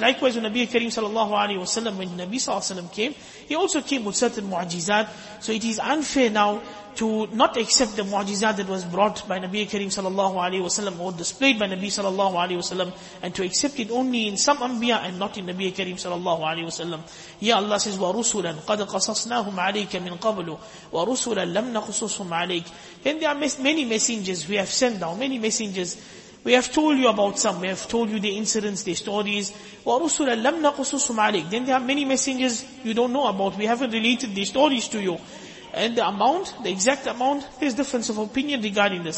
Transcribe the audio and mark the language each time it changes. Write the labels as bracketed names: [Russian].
[English] Likewise, when Nabi Kareem sallallahu alayhi wa sallam, when Nabi sallallahu alayhi wa sallam came, he also came with certain mu'ajizat. So it is unfair now to not accept the mu'ajizat that was brought by Nabi Kareem sallallahu alayhi wa sallam or displayed by Nabi sallallahu alayhi wa sallam, and to accept it only in some anbiya and not in Nabi Kareem sallallahu alayhi wa sallam. Ya Allah says, [Arabic] وَرُسُلًا قَدْ قَصَصْنَاهُمْ عَلَيْكَ مِنْ قَبْلُ وَرُسُلًا لَمْ نَقُصُصْهُمْ عَلَيْكَ. [English] Then there are many messengers we have sent down, many messengers. We have told you about some. We have told you the incidents, the stories. [Arabic] وَرُسُلًا لَمْ نَقُصُصُهُمْ عَلَيْكَ. [English] Then there are many messengers you don't know about. We haven't related the stories to you. And the amount, the exact amount, there's difference of opinion regarding this.